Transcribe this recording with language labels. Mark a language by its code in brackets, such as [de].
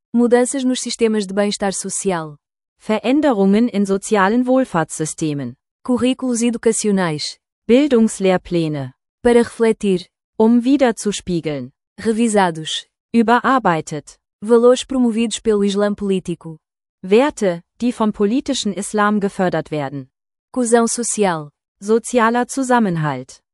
[pt] Mudanças nos sistemas de bem-estar social. [de] Veränderungen in sozialen Wohlfahrtssystemen. [pt] Currículos educacionais. [de] Bildungslehrpläne. [pt] Para refletir. [de] Um wiederzuspiegeln. [pt] Revisados. [de] Überarbeitet. [pt] Valores promovidos pelo Islã político. [de] Werte, die vom politischen Islam gefördert werden. [pt] Cohesão social. [de] Sozialer Zusammenhalt.